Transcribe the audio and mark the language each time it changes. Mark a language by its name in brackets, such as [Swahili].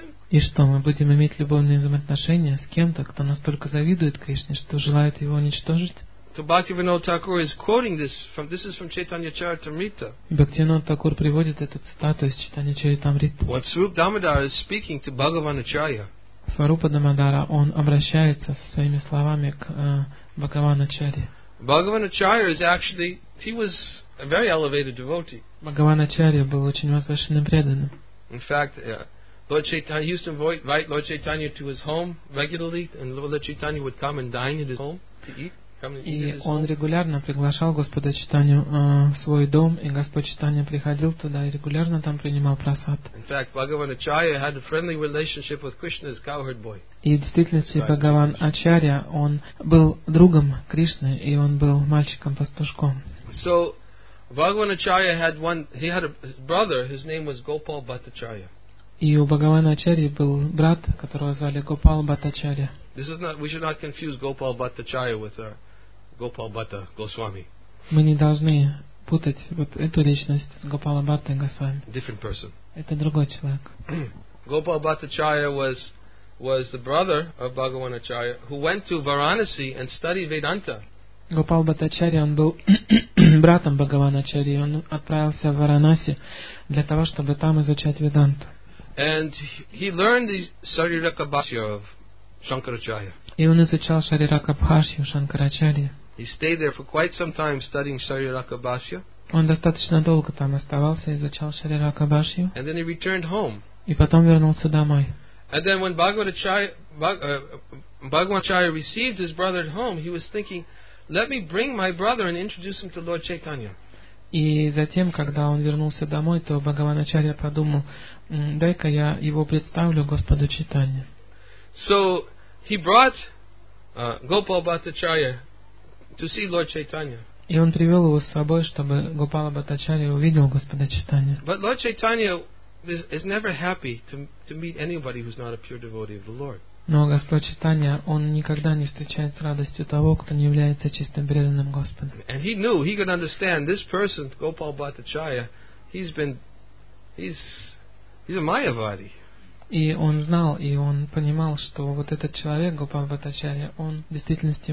[Russian] И что, мы будем иметь любовные взаимоотношения с кем-то, кто настолько завидует Кришне, что желает его уничтожить? [English] So Bhaktivinoda Thakur is quoting this from, this is from Chaitanya Charitamrita. [Russian] Bhaktivinoda Thakur приводит эту цитату из Chaitanya Charitamrita. [English] When Swarupa Damodara is speaking to Bhagavan Acharya, [Russian] Swarupa Damodara, он обращается со своими словами к Бхагавану Ачарье. [English] Bhagavan Acharya is actually, he was a very elevated devotee. [Russian] Bhagavan Acharya был очень возвышенным преданным. [English] In fact, Lord Chaitanya used to invite Lord Chaitanya to his home regularly, and Lord Chaitanya would come and dine at his home to eat. [Russian] И он регулярно приглашал Господа Чайтанью в свой дом, и Господь Чайтанья приходил туда и регулярно там принимал прасад. И в действительности Бхагаван Ачарья, он был другом Кришны, и он был мальчиком-пастушком. [English] So, Bhagavan Acharya had one, he had a brother, his name was Gopal Bhattacharya. [Russian] И у Бхагавана Ачарьи был брат, которого звали Гопал Бхаттачарья. [English] This is not, we should not confuse Gopal Bhattacharya with our Gopal Bhatta Goswami. [Russian] Мы не должны путать вот эту личность с Гопала Бхатта Госвами. [English] Different person. [Russian] Это другой человек. [English] Gopal Bhattacharya was the brother of Bhagavan Acharya who went to Varanasi and studied Vedanta. [Russian] Гопал Бхаттачарья, он был братом Бхагавана Ачарьи, он отправился в Варанаси для того, чтобы там изучать Веданту. [English] And he learned the Sarirakha Bhashya of Shankaracharya. [Russian] И он изучал Шарирака Бхашью Шанкарачарья. [English] He stayed there for quite some time studying Шарирака Бхашья. [Russian] Он достаточно долго там оставался, изучал Шарирака Бхашью. [English] And then he returned home. [Russian] И потом вернулся домой. [English] And then when Bhagavan Acharya received his brother at home, he was thinking, "Let me bring my brother and introduce him to Lord Chaitanya." [Russian] И затем, когда он вернулся домой, то Бхагаван Ачарья подумал, "Дай-ка я его представлю Господу Чайтанье." [English] So he brought Gopal Bhattacharya to see Lord Chaitanya. [Russian] И он привел его с собой, чтобы Гопала Бхаттачарья увидел Господа Чайтанья. [English] But Lord Chaitanya is never happy to meet anybody who's not a pure devotee of the Lord. [Russian] Но Господь Чайтанья, он никогда не встречает с радостью того, кто не является чистым преданным Господа. [English] And he knew, he could understand this person, Gopal Bhattacharya, he's a mayavadi. [Russian] И он знал, и он понимал, что вот этот человек, Гопал Бхаттачарья, он в действительности